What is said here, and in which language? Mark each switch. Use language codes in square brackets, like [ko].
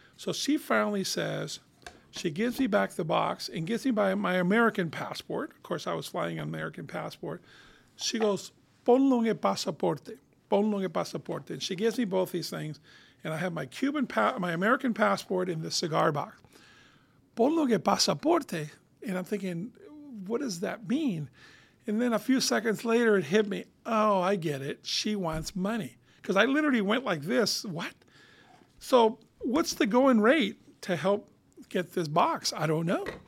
[en] So she finally says, she gives me back the box and gives me my American passport. Of course, I was flying an American passport. She goes, [es] ponlo en el pasaporte, ponlo en el pasaporte. [en] And she gives me both these things, and I have my American passport in the cigar box. [es] Ponlo en el pasaporte. [en] And I'm thinking, what does that mean? And then a few seconds later, it hit me. Oh, I get it. She wants money. Because I literally went like this. What? So what's the going rate to help get this box? I don't know.